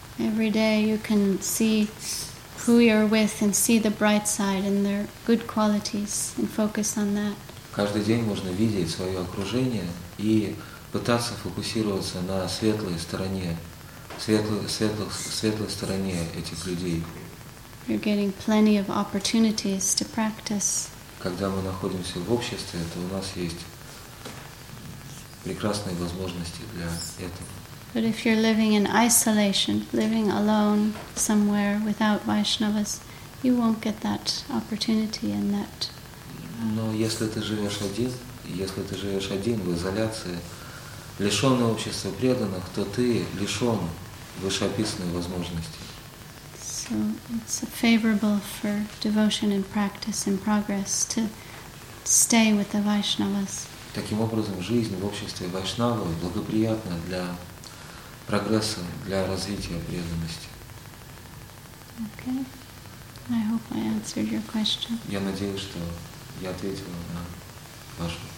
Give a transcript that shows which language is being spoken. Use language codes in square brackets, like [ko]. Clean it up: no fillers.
[en] Every day you can see who you're with and see the bright side and their good qualities and focus on that. [ru] Каждый день можно видеть свое окружение и пытаться фокусироваться на светлой стороне. Светлой стороне этих людей. [en] You're getting plenty of opportunities to practice. [ru] Когда мы находимся в обществе, то у нас есть прекрасные возможности для этого. [en] But if you're living in isolation, living alone somewhere without Vaishnavas, you won't get that opportunity and that. [ru] Но если ты живешь один в изоляции, лишённый общества преданных, то ты лишён вышеописанные возможности. [en] So it's favorable for devotion and practice and progress to stay with the Vaishnavas. [ru] Таким образом, жизнь в обществе Вайшнавы благоприятна для прогресса для развития преданности. [en] Okay. I hope I answered your question. [ru] Я надеюсь, что я ответил на ваш вопрос.